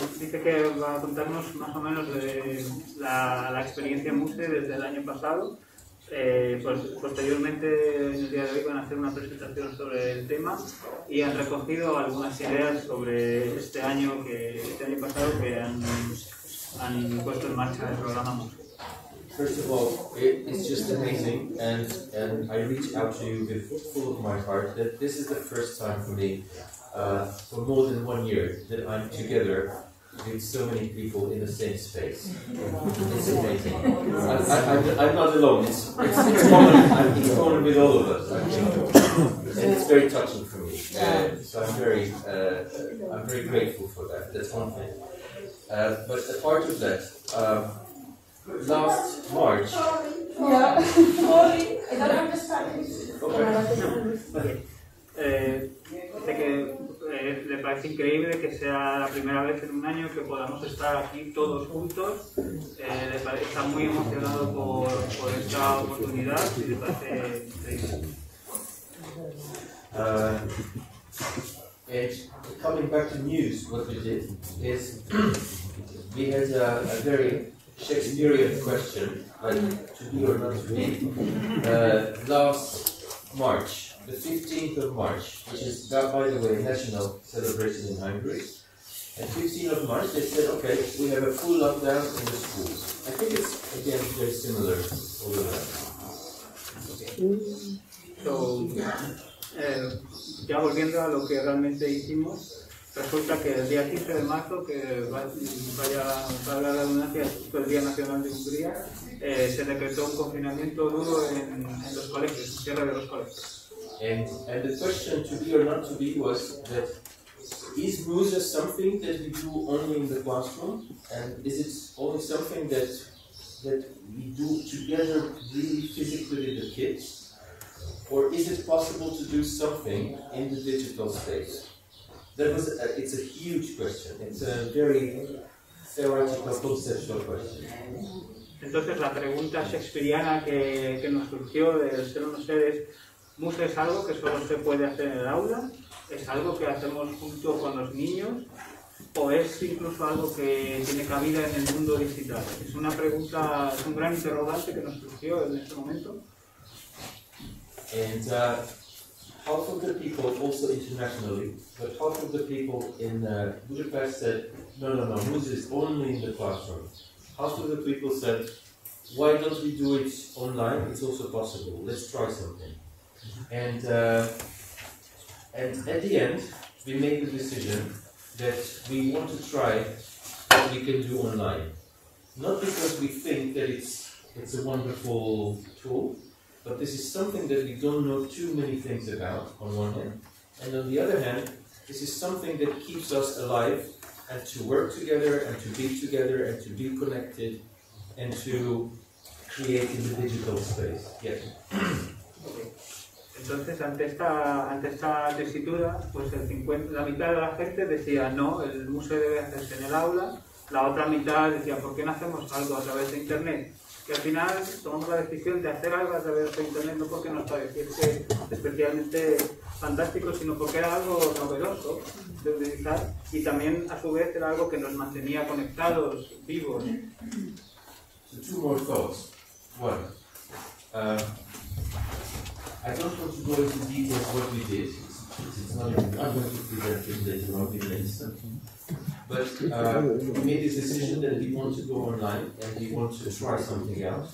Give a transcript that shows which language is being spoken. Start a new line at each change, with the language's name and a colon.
Spanish: Dice que va a contarnos más o menos de la experiencia MUSE desde el año pasado. Pues posteriormente, en el día de hoy, van a hacer una presentación sobre el tema y han recogido algunas ideas sobre este año pasado que han puesto en marcha el programa MUSE.
English: First of all, it's just amazing, and I reach out to you with full of my heart that this is the first time for me, for more than 1 year, that I'm together with so many people in the same space. It's amazing. I'm not alone. It's common with all of us, I think. And it's very touching for me. So I'm very grateful for that. That's one thing. But a part of that. Last March.
Spanish: Dice que le parece increíble que sea la primera vez en un año que podamos estar aquí todos juntos. Está muy emocionado por esta oportunidad y le parece increíble.
English: Coming back to news, what we did is we had a very Shakespearean question, like to be or not to be, last March, the 15th of March, which is, by the way, national celebration in Hungary. And 15th of March, they said, okay, we have a full lockdown in the schools. I think it's, again, very similar all the time.
Spanish: So, ya volviendo a lo que realmente hicimos, resulta que el día 15 de marzo, que vaya la redundancia, fue el Día Nacional de Hungría, se decretó un confinamiento duro en los colegios, en cierre de los colegios.
English: And the question to be or not to be was that, is MUSE something that we do only in the classroom? And is it only something that we do together really physically with the kids? Or is it possible to do something in the digital space? It's a huge question. It's a very theoretical, conceptual question.
Spanish: Entonces la pregunta shakespeariana que nos surgió de ser unos seres, ¿MUSE es algo que solo se puede hacer en el aula? ¿Es algo que hacemos junto con los niños? ¿O es incluso algo que tiene cabida en el mundo digital? Es una pregunta, es un gran interrogante que nos surgió en este momento.
English: And, half of the people, also internationally, but half of the people in Budapest said, no, MUSE is only in the classroom. Half of the people said, why don't we do it online? It's also possible. Let's try something. And at the end, we made the decision that we want to try what we can do online. Not because we think that it's a wonderful tool, but this is something that we don't know too many things about, on one hand. And on the other hand, this is something that keeps us alive and to work together and to be connected and to create in the digital space. Yes.
Spanish: Entonces, ante esta tesitura, pues la mitad de la gente decía no, el museo debe hacerse en el aula. La otra mitad decía, ¿por qué no hacemos algo a través de internet? Que al final tomamos la decisión de hacer algo a través de internet, no porque nos pareciese especialmente fantástico, sino porque era algo novedoso de utilizar y también a su vez era algo que nos mantenía conectados, vivos.
English: So two more thoughts. One, I don't want to go into detail what we did. It's not I'm going to present in the information. But we made this decision that we want to go online and we want to try something else.